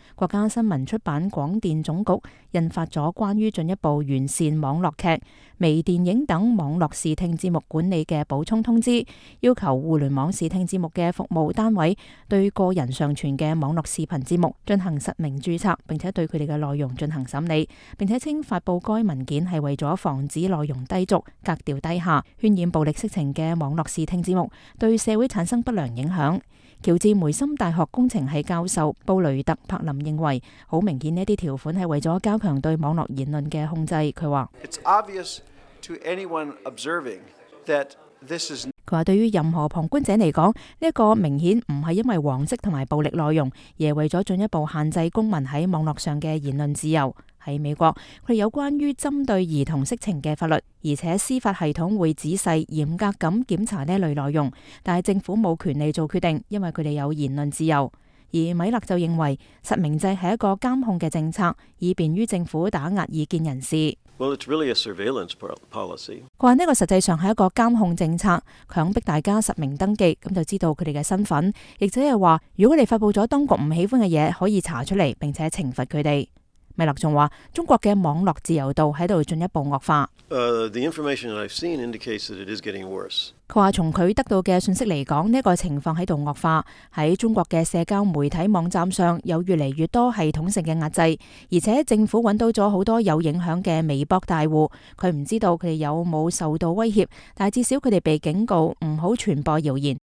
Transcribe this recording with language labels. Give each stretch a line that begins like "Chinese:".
Chinese: 国家新闻出版广电总局印发了关于进一步完善网络剧、微电影等网络视听节目管理的补充通知，要求互联网视听节目的服务单位对个人上传的网络视频节目进行实名注册，并且对他们的内容进行审理，并且称发布该文件是为了防止内容低俗、格调低下、渲染暴力色情的网络视听节目对社会产生不良影响。乔治梅森大学工程系教授布雷特·柏林认为，很明显这些条款是为了加强对网络言论的控制。他说
English: It's obvious to anyone observing that this is...
Chinese: 他说对于任何旁观者来说，这个明显不是因为黄色和暴力内容，而是为了进一步限制公民在网络上的言论自由。在美国，它有关于针对儿童色情的法律，而且司法系统会仔细严格地检查这类内容，但政府没有权利做决定，因为它们有言论自由。而米勒就认为实名制是一个监控的政策，以便于政府打压意见人士。
English: Well, it's really a surveillance policy.
Chinese: 他说这个实际上是一个监控政策，强迫大家实名登记，那就知道他们的身份，也就是说如果他们发布了当局不喜欢的东西，可以查出来并且惩罚他们。米勒还说中国的网络自由度在进一步恶化。
English: The information that I've seen indicates that it is getting worse.
Chinese: 他说从他得到的信息来讲，这个情况在恶化。在中国的社交媒体网站上有越来越多系统性的压制，而且政府找到了很多有影响的微博大户。他不知道他们有没有受到威胁，但至少他们被警告不要传播谣言。